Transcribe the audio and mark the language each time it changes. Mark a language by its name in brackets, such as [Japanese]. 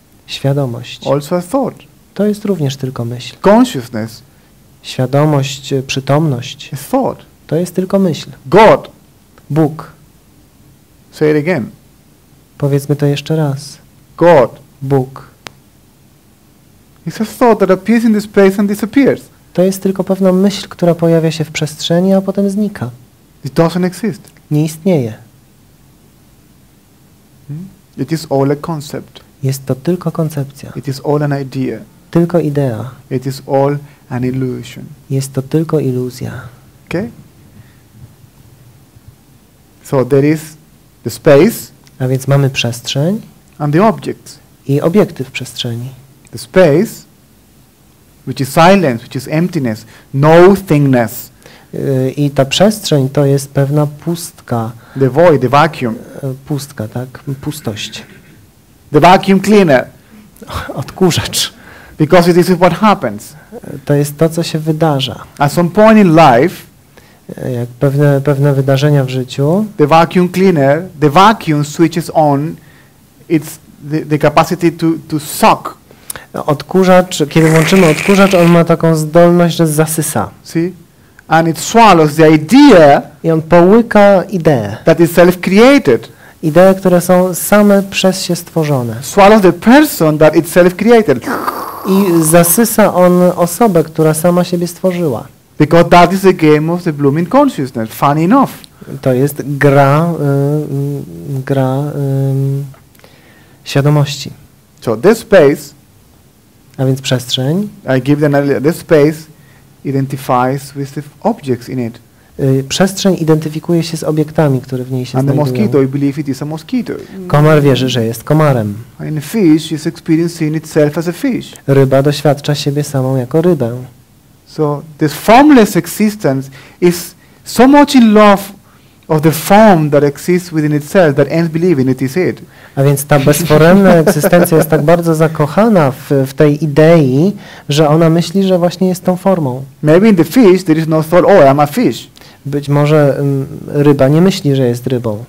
[Polish] Świadomość. [English] Also a thought. [Polish] To jest również tylko myśl. [English] Consciousness. [Polish] Świadomość, przytomność. [English] A thought. [Polish] To jest tylko myśl. [English] God. [Polish] Bóg. [English] Say it again. [Polish] Powiedzmy to jeszcze raz. [English] God. [Polish] Bóg. [English] It's a thought that appears in the space and disappears. [Polish] To jest tylko pewna myśl, która pojawia się w przestrzeni, a potem znika. [English] It doesn't exist. [Polish] Nie istnieje. [English] It is all a concept. [Polish] Jest to tylko koncepcja. [English] It is all an idea. [Polish] Tylko idea. [English] It is all an illusion. [Polish] Jest to tylko iluzja. [English] Okay? So there is the space. [Polish] A więc mamy przestrzeń. [English] And the objects. [Polish] I obiekty w przestrzeni. [English] The space, which is silence, which is emptiness, no thingness. [Polish] I ta przestrzeń to jest pewna pustka. [English] The void, the vacuum. [Polish] Pustka, tak? Pustość. [English] The vacuum cleaner. [Polish] Odkurzacz. [English] Because it is what happens. [Polish] To jest to, co się wydarza. [English] At some point in life, [Polish] jak pewne wydarzenia w życiu, [English] the vacuum cleaner, the vacuum switches on its the capacity to suck. [Polish] Odkurzacz, kiedy włączymy odkurzacz, on ma taką zdolność, że zasysa. [English] See? And it swallows the idea. [Polish] I on połyka ideę. [English] That is self-created. [Polish] Idee, które są same przez się stworzone. [English] Swallows the person that itself created. [Polish] I zasysa on osobę, która sama siebie stworzyła. [English] Because that is the game of the blooming consciousness. Funny enough. [Polish] To jest gra, gra świadomości. [English] So this space. [Polish] A więc przestrzeń. [English] I give them this space. Identifies with the objects in it. [Polish] Przestrzeń identyfikuje się z obiektami, które w niej się [English] and [Polish] znajdują. [English] And the mosquito, I believe it is a mosquito. [Polish] Komar wierzy, że jest komarem. [English] And fish is experiencing itself as a fish. [Polish] Ryba doświadcza siebie samą jako rybę. [English] So this formless existence is so much in love of the form that exists within itself that ends believing it is it. [Polish] A więc ta bezforemna egzystencja jest tak bardzo zakochana w tej idei, że ona myśli, że właśnie jest tą formą. [English] Maybe in the fish there is no thought, oh, I'm a fish. [Polish] Być może ryba nie myśli, że jest rybą.